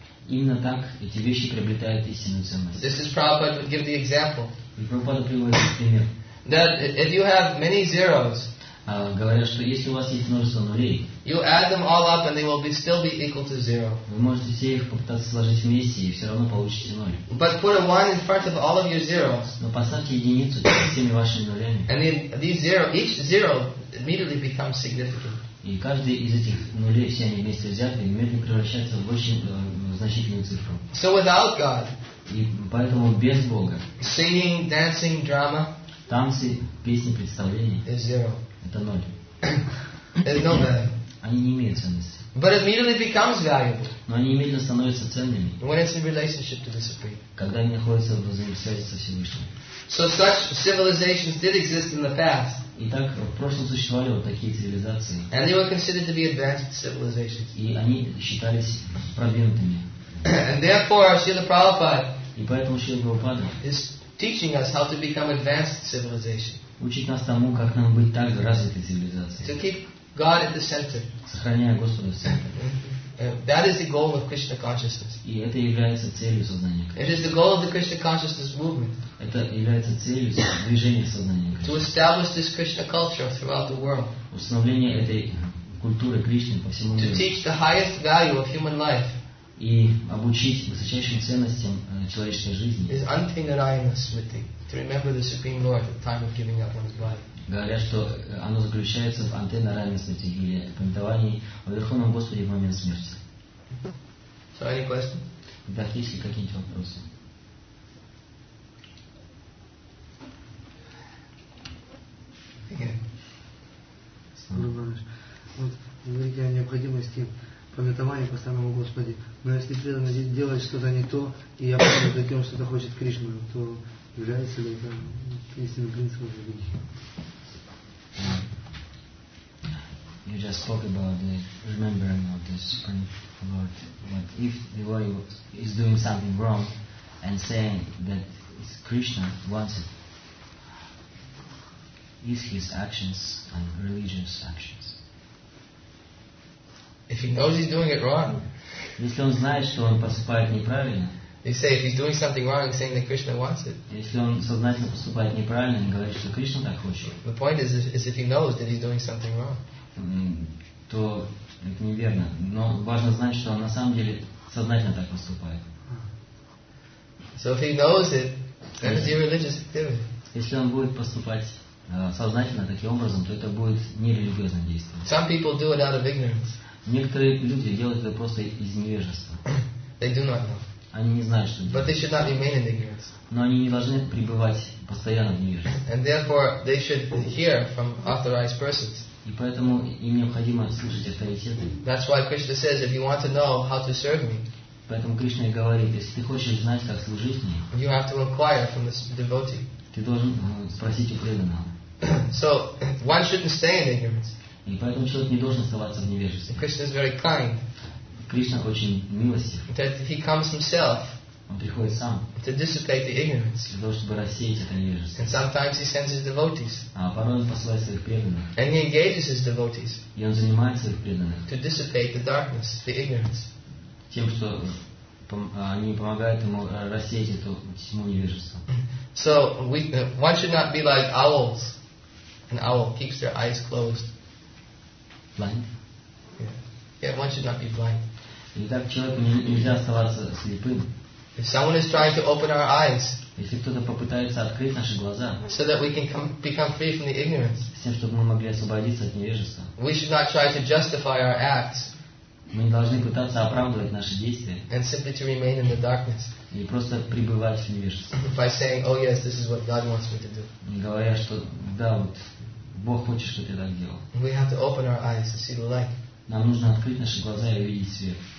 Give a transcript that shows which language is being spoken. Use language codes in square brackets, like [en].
[ru] Именно так эти вещи приобретают истинную ценность. [en] This is Prabhupada would give the example. [ru] И Прабхупада приводит пример. [en] That if you have many zeros, [ru] Говорят, что если у вас есть множество нулей, [en] you add them all up and they will be still be equal to zero. [ru] Вы можете все их попытаться сложить вместе и все равно получите ноль. [en] But put a one in front of all of your zeros. [ru] Но поставьте единицу перед всеми вашими нулями. [en] And then these zero, each zero immediately becomes significant. [ru] И каждый из этих нулей, все они вместе взяты, немедленно превращается в очень значительную цифру. [en] So without God. [ru] И поэтому без Бога. [en] Singing, dancing, drama. [ru] Танцы, песни, представления. [en] Is zero. [ru] Это ноль. [en] There's no value. [ru] Они не имеют ценности. [en] But it immediately becomes valuable. [ru] Но они немедленно становятся ценными. [en] When it's in relationship to the Supreme. [ru] Когда они находятся в взаимосвязи со Всевышним. [en] So such civilizations did exist in the past. [ru] Итак, в прошлом существовали вот такие цивилизации. [en] And they were considered to be advanced civilizations. [ru] И они считались продвинутыми. [en] And therefore, Srila Prabhupada. [ru] И поэтому Шрила Прабхупада. [en] Is teaching us how to become advanced civilization. [ru] Учить нас тому, как нам быть так же развитой цивилизацией. [en] To keep God at the center. [ru] Сохраняя Господа в центре. [en] That is the goal of Krishna consciousness. [ru] И это является целью сознания. [en] It is the goal of the Krishna consciousness movement. [ru] Это является целью движения сознания. [en] To establish this Krishna culture throughout the world. [ru] Установление этой культуры Кришны по всему миру. [en] To teach the highest value of human life. [ru] И обучить высочайшим ценностям человеческой жизни. [en] Is antinarayana smriti. To remember the Supreme Lord at the time of giving up one's body. [ru] Говорят, что оно заключается в антинарайана смрити или памятовании о Верховном Господе в момент смерти. [en] So any question? [ru] Да, есть ли какие-нибудь вопросы? Гуру Бараш, вот вы говорите о необходимости памятования постоянному Господи, но если преданный делает что-то не то, и я понимаю таким, что-то хочет Кришна, то является ли это истинным принципом религии? [en] You just spoke about the remembering of the Supreme Lord. But if the devotee is doing something wrong and saying that it's Krishna wants it, is his actions and religious actions? If he knows he's doing it wrong, [ru] если он знает, что он поступает неправильно, [en] they say if he's doing something wrong, saying that Krishna wants it. [ru] Если он сознательно поступает неправильно, он говорит, что Кришна так хочет. [en] The point is if he knows that he's doing something wrong. [ru] То это неверно. Но важно знать, что он на самом деле сознательно так поступает. [en] So if he knows it, then it's irreligious activity. [ru] Если он будет поступать сознательно таким образом, то это будет нерелигиозное действие. [en] Some people do it out of ignorance. [ru] Некоторые люди делают это просто из невежества. [en] They do not know. [ru] Они не знают, что делать. [en] But they should not remain in ignorance. [ru] Но они не должны пребывать постоянно в невежестве. [en] And therefore they should hear from authorized persons. [ru] И поэтому им необходимо слушать авторитеты. [en] That's why Krishna says, if you want to know how to serve me. [ru] Поэтому Кришна и говорит, если ты хочешь знать, как служить мне, [en] you have to inquire from the devotee. [ru] Ты должен спросить у преданного. [en] So one shouldn't stay in ignorance. [ru] И поэтому человек не должен оставаться в невежестве. [en] Krishna is very kind. [ru] Кришна очень милостив. [en] That he comes himself. [ru] Он приходит сам. [en] To dissipate the ignorance. [ru] Для того, чтобы рассеять это невежество. [en] And sometimes he sends his devotees. [ru] А порой он посылает своих преданных. [en] And he engages his devotees. [ru] И он занимает своих преданных. [en] To dissipate the darkness, the ignorance. [ru] Тем, что они помогают ему рассеять эту тьму невежества. [en] So one should not be like owls. An owl keeps their eyes closed. Blind? Yeah, one should not be blind. [ru] Итак, человеку нельзя оставаться слепым. [en] If someone is trying to open our eyes, [ru] если кто-то попытается открыть наши глаза, [en] so that we can become free from the ignorance, [ru] с тем, чтобы мы могли освободиться от невежества, [en] we should not try to justify our acts. [ru] Мы не должны пытаться оправдывать наши действия. [en] And simply to remain in the darkness. [ru] И просто пребывать в невежестве. [en] By saying, oh yes, this is what God wants me to do. [ru] Говоря, что да, вот Бог хочет, чтобы я так делал. [en] We have to open our eyes to see the light. [ru] Нам нужно открыть наши глаза и увидеть свет.